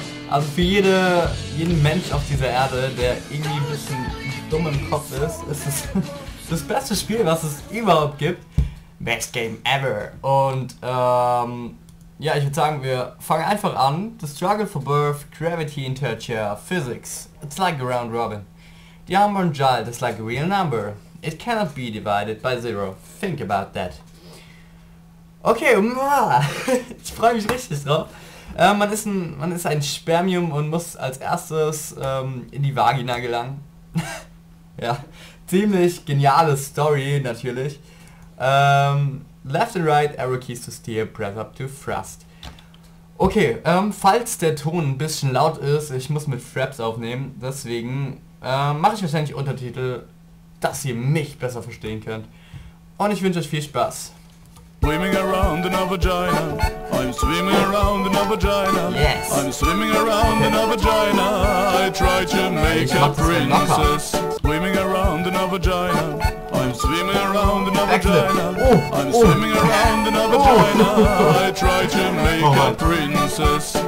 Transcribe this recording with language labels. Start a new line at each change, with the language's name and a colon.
German: Also für jeden Mensch auf dieser Erde, der irgendwie ein bisschen dumm im Kopf ist, ist es das beste Spiel, was es überhaupt gibt.
English: Best Game Ever.
German: Und ja, ich würde sagen, wir fangen einfach an.
English: The Struggle for Birth, Gravity, Interchair, Physics. It's like a round robin. The unborn child is like a real number. It cannot be divided by zero. Think about that.
German: Okay, ich freue mich richtig drauf. Man ist ein Spermium und muss als erstes in die Vagina gelangen. Ja, ziemlich geniale Story natürlich.
English: Left and right arrow keys to steer, press up to thrust.
German: Okay, falls der Ton ein bisschen laut ist, ich muss mit Fraps aufnehmen, deswegen mache ich wahrscheinlich Untertitel, dass ihr mich besser verstehen könnt. Und ich wünsche euch viel Spaß.
English: Swimming around in a vagina. I'm swimming around in a vagina. Yes. I'm swimming around in a vagina. I try to make a princess. Swimming around in a vagina. I'm swimming around in a vagina. I'm swimming around in a vagina. I try to make a princess.